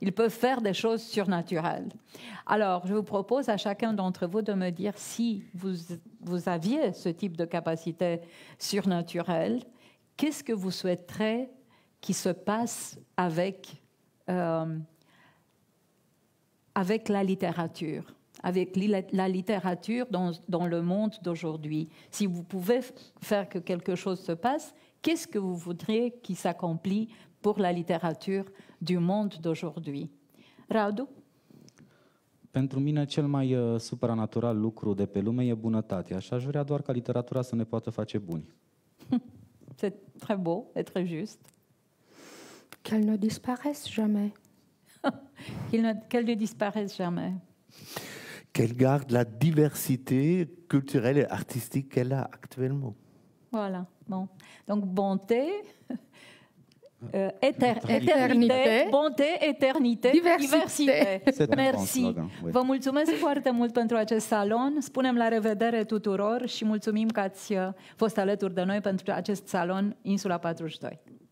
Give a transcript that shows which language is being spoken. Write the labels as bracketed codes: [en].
[fr] Ils peuvent faire des choses surnaturelles. Alors, je vous propose à chacun d'entre vous de me dire si vous aviez ce type de capacité surnaturelle, qu'est-ce que vous souhaiteriez qui se passe avec la littérature, avec la littérature dans le monde d'aujourd'hui. Si vous pouvez faire que quelque chose se passe, qu'est-ce que vous voudriez qui s'accomplit pour la littérature du monde d'aujourd'hui? Radu? [ro] Pentru mine, cel mai supranatural lucru de pe lume e bunătatea. Și aș vrea doar ca literatura să ne poată face buni. [fr] C'est très beau et très juste. Qu'elle ne disparaisse jamais. Qu'elle ne disparaisse jamais. Qu'elle garde la diversité culturelle et artistique qu'elle a actuellement. Voilà. Bon. Donc bonté, éternité. Bonté, éternité, diversité. Merci. [ro] Vă mulțumesc foarte mult pentru acest salon. Spunem la revedere tuturor și mulțumim că ați fost alături de noi pentru acest salon Insula 42.